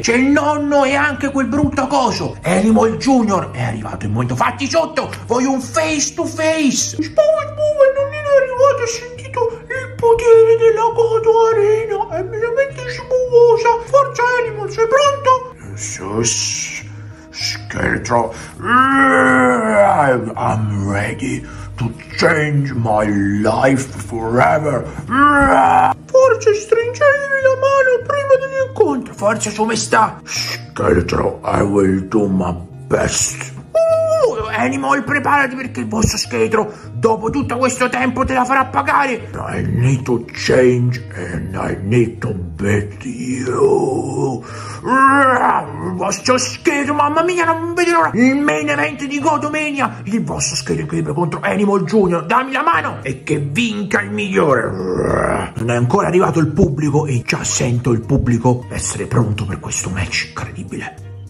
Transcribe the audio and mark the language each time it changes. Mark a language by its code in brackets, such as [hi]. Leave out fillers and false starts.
[it] C'è il nonno e anche quel brutto coso Animal Junior. È arrivato il momento, fatti sotto. Voglio un [en] face to face. [it] Spove, non è arrivato, ho sentito il potere della Godo Arena. È veramente spuvosa. Forza Animal, sei pronto? [en] Sus, scheletro, I'm ready to change my life forever. [it] Forza, stringetevi la mano prima dell'incontro. Forza, come sta? [en] Scheletro, I will do my best. [it] Animal, preparati perché il vostro scheletro, dopo tutto questo tempo, te la farà pagare. [en] I need to change and I need to beat you. [it] Il vostro scheletro, mamma mia, non vedo l'ora. Il main event di Godomania. Il vostro scheletro contro Animal Junior. Dammi la mano e che vinca il migliore. Non è ancora arrivato il pubblico e già sento il pubblico essere pronto per questo match incredibile.